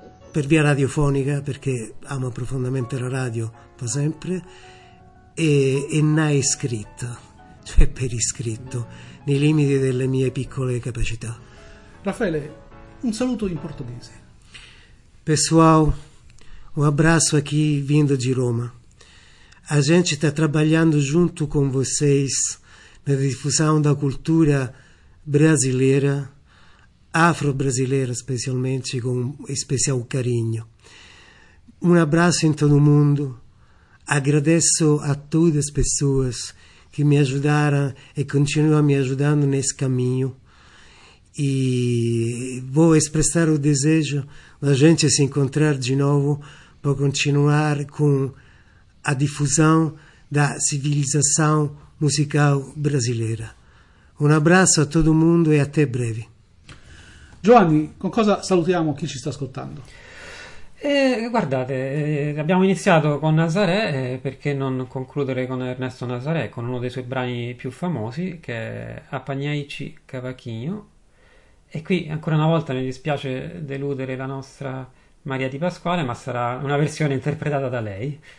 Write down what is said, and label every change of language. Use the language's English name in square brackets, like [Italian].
[Italian] per via radiofonica, perché amo profondamente la radio da sempre, e nei scritti, cioè per iscritto, nei limiti delle mie piccole capacità. Raffaele, un saluto in portoghese. [Portuguese] Pessoal, un abbraccio a chi vindo di Roma. A gente sta trabalhando junto com vocês na difusão da cultura brasileira, afro-brasileira especialmente, com especial carinho. Um abraço em todo mundo. Agradeço a todas as pessoas que me ajudaram e continuam me ajudando nesse caminho. E vou expressar o desejo da gente se encontrar de novo para continuar com a difusão da civilização musical brasileira. Um abraço a todo mundo e até breve. [Italian] Giovanni, com cosa salutiamo chi ci sta ascoltando? Guardate, abbiamo iniziato con Nazaré, perché non concludere con Ernesto Nazaré, con uno dei suoi brani più famosi, che è Apanhaichi Cavaquinho. E qui ancora una volta mi dispiace deludere la nostra Maria Di Pasquale, ma sarà una versione interpretata da lei.